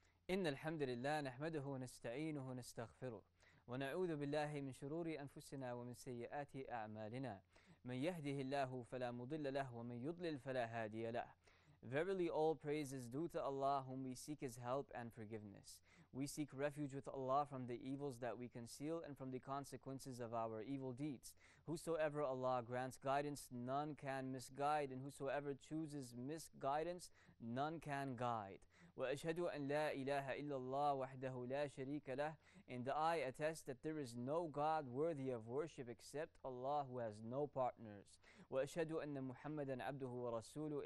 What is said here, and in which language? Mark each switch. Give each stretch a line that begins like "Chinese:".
Arabic: إن الحمد لله نحمده ونستعينه ونستغفره ونعوذ بالله من شرور أنفسنا ومن سيئات أعمالنا من يهده الله فلا مضل له ومن يضلل فلا هادي له.
English: Verily all praises due to Allah whom we seek His help and forgiveness. We seek refuge with Allah from the evils that we conceal and from the consequences of our evil deeds. Whosoever Allah grants guidance, none can misguide, and whosoever chooses misguidance, none can guide.
Arabic: وأشهد أن لا إله إلا الله وحده لا شريك له.
English: And I attest that there is no God worthy of worship except Allah who has no partners.
Arabic: وأشهد أن محمدا عبده ورسوله.